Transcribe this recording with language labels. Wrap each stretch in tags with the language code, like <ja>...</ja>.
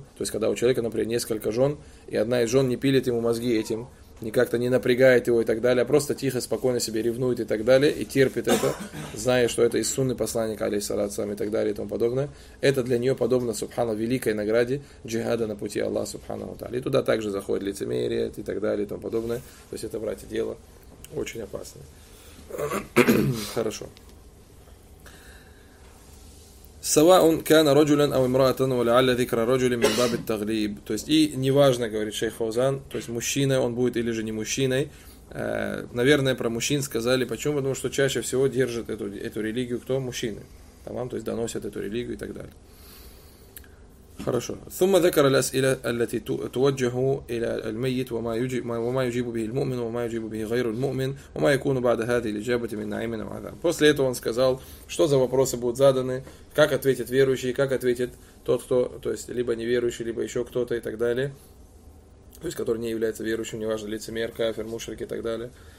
<ru>То есть, когда у человека, например, несколько жен, и одна из жен не пилит ему мозги этим, не как-то не напрягает его и так далее, а просто тихо, спокойно себе ревнует и так далее, и терпит это, зная, что это из сунны посланника, алейхиссалату ассалям, и так далее, и тому подобное, это для нее подобно, субхана, великой награде джихада на пути Аллаха субхана ва тааля. И туда также заходит лицемерие и так далее, и тому подобное. То есть это, братья, дело очень опасное. Хорошо.</ru> <ar>سواء كان رجلا او امرأة ولعل ذكر رجل من باب التغليب.</ar> <ru>То есть и неважно, говорит шейх Фаузан, то есть мужчина он будет или же не мужчиной. Наверное, про мужчин сказали, почему? Потому что чаще всего держат эту религию кто? Мужчины. Тамам, то есть доносят эту религию и так далее. Хорошо.</ru> <ar>ثم ذكر الأسئلة التي توجه إلى الميت وما يجيب به المؤمن وما يجيب به غير المؤمن وما يكون بعد هذه الإجابة من نعيم أو عذاب.</ar> <ru>После этого он сказал, что за вопросы будут заданы, как ответит верующий, как ответит тот, кто, то есть либо неверующий, либо еще кто-то и так далее, то есть который не является верующим, неважно лицемер, кафир, мушрик и так далее.</ru>